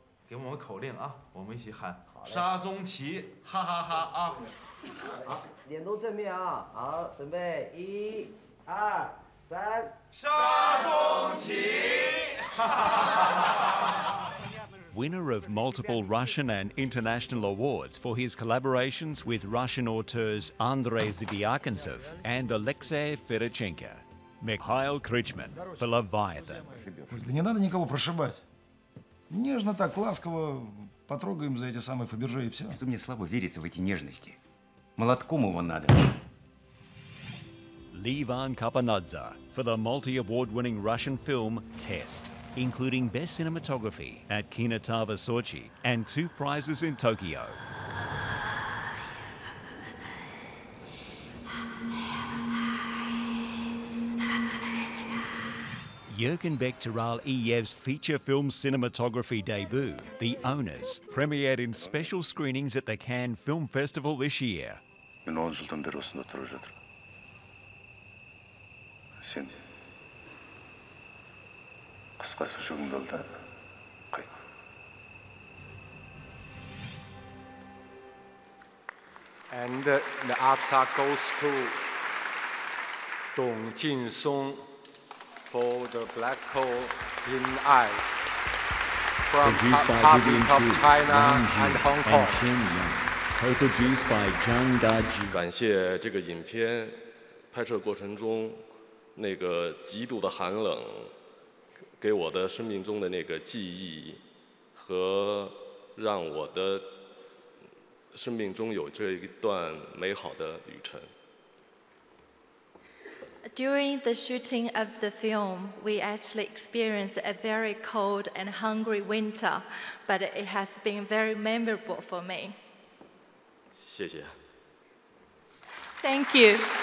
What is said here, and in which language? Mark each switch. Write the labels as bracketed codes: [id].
[zh] 给我们口令啊，我们一起喊沙宗奇，哈哈哈啊！好，脸都正面啊，好，准备一、二、三，沙宗奇， [en] Winner of multiple Russian and international awards for his collaborations with Russian auteurs Andrei Zviakintsev and Alexei Ferdichenko, Mikhail Krichman for Leviathan. [ru] Да не надо никого прошибать. Нежно так, ласково потрогаем за эти самые Фаберже и все. Мне слабо верится в эти нежности. Молотком его надо. [en] Levan Kapanadze for the multi-award-winning Russian film Test. Including Best Cinematography at Kinotava Sochi and two prizes in Tokyo. Jurgen Bektaral Iyev's feature film cinematography debut, The Owners, premiered in special screenings at the Cannes Film Festival this year. And the APSA goes to Dong Jin Song for the Black Hole in Ice from Republic of China and Hong Kong. Co-produced by Zhang Daji. [zh] 感谢这个影片拍摄过程中那个极度的寒冷。给我的生命中的那个记忆和让我的生命中有这一段美好的旅程。 [en] During the shooting of the film, we actually experienced a very cold and hungry winter, but it has been very memorable for me. [zh] 谢谢。 [en] Thank you.